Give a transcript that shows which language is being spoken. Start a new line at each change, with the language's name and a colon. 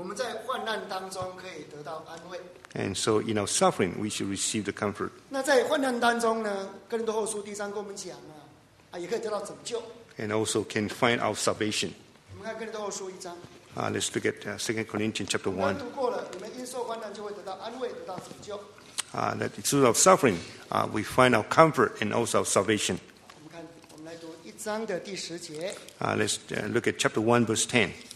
Chinese: 所以我们看，刚刚我们现在就提到说，我们在患难当中可以得到安慰。
English: And so in our suffering, we should receive the comfort.
Chinese: 那在患难当中呢，哥林多后书第3跟我们讲啊，也可以得到拯救。
English: And also can find our salvation.
Chinese: 我们看哥林多后书1章。
English: Let's look at 2 Corinthians chapter 1. That through our suffering, we find our comfort and also our salvation. Let's look at chapter 1, verse 10.